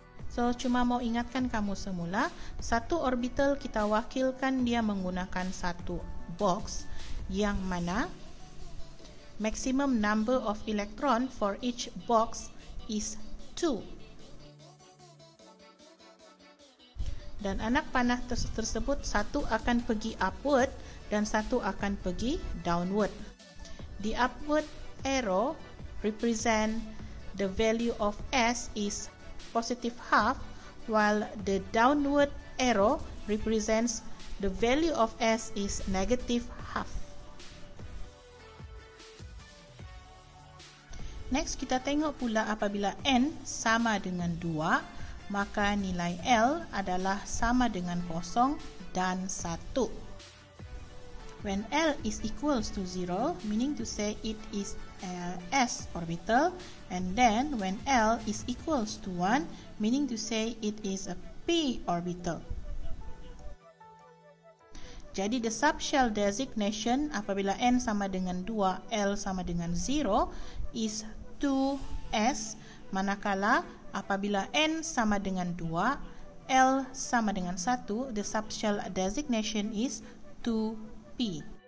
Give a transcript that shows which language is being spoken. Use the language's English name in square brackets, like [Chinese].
[Malay] So, cuma mau ingatkan kamu semula, satu orbital kita wakilkan dia menggunakan satu box, yang mana [English] maximum number of electron for each box is 2. [Malay] Dan anak panah tersebut, satu akan pergi upward dan satu akan pergi downward. [English] The upward arrow represent the value of S is positive half, while the downward arrow represents the value of S is negative half. [Malay] Next, kita tengok pula apabila N sama dengan 2, maka nilai L adalah sama dengan 0 dan 1. [English] When L is equal to 0, meaning to say it is s orbital, and then when L is equal to 1, meaning to say it is a p orbital. [Malay] Jadi [English] the subshell designation [Malay] apabila N sama dengan 2, L sama dengan 0 is 2s, manakala apabila N sama dengan 2, L sama dengan 1, [English] the subshell designation is 2p.